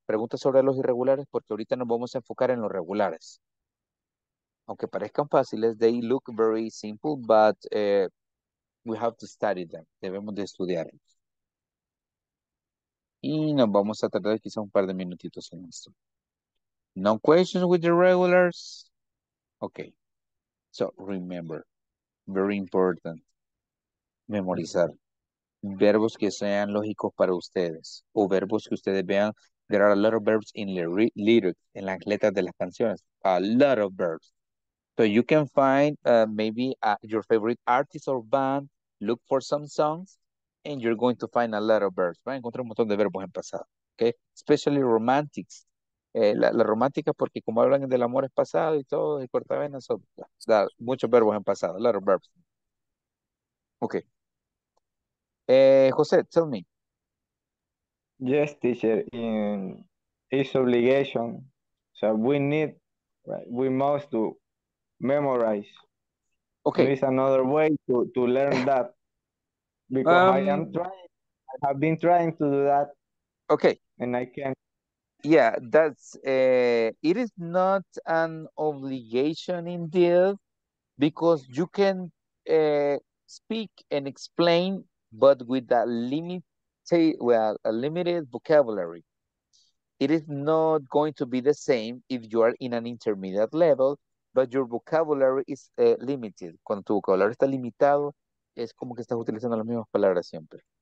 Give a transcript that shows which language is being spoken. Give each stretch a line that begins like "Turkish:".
Spanish: Preguntas sobre los irregulares, porque ahorita nos vamos a enfocar en los regulares. Aunque parezcan fáciles,
English: they look very simple, but we have to study them.
Spanish: Debemos de estudiarlos. Y nos vamos a tardar quizá un par de minutitos en esto.
English: No questions with the regulars. Okay. So remember, very important,
Spanish: memorizar verbos que sean lógicos para ustedes o verbos que ustedes vean.
English: There are a lot of verbs in the lyrics,
Spanish: en las letras de las canciones.
English: A lot of verbs. So you can find maybe your favorite artist or band, look for some songs, and you're going to find a lot of verbs.
Spanish: Va a encontrar un montón de verbos en pasado. Okay?
English: Especially romantics.
Spanish: La romántica, porque como hablan del amor es pasado y todo, y cortavenas, son muchos verbos en pasado.
English: A lot of verbs. Okay. José, tell me. Yes, teacher, it's obligation. So we need, right, we must to memorize. Okay. There is another way to learn that. Because I have been trying to do that. Okay. And I can. Yeah, that's, it is not an obligation indeed, because you can speak and explain, but with a limit. Say, well, a limited vocabulary. It is not going to be the same if you are in an intermediate level, but your vocabulary is limited.
Spanish: Cuando tu vocabulario está limitado, es como que estás utilizando las mismas palabras siempre.